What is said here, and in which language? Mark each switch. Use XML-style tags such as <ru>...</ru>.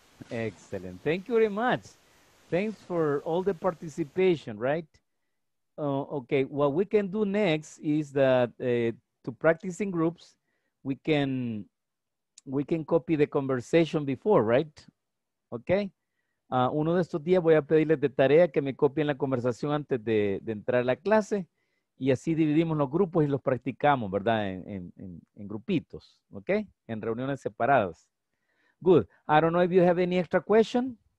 <en>Excellent. Thank you very much. Thanks for all the participation, right? Okay, what we can do next is that to practice in groups, we can copy the conversation before, right? Okay.</en> <es>Uno de estos días voy a pedirles de tarea que me copien la conversación antes de entrar a la clase y así dividimos los grupos y los practicamos, ¿verdad? En grupitos, ¿ok? En reuniones separadas. Good.</es> <en>I don't know if you have any extra question.</en>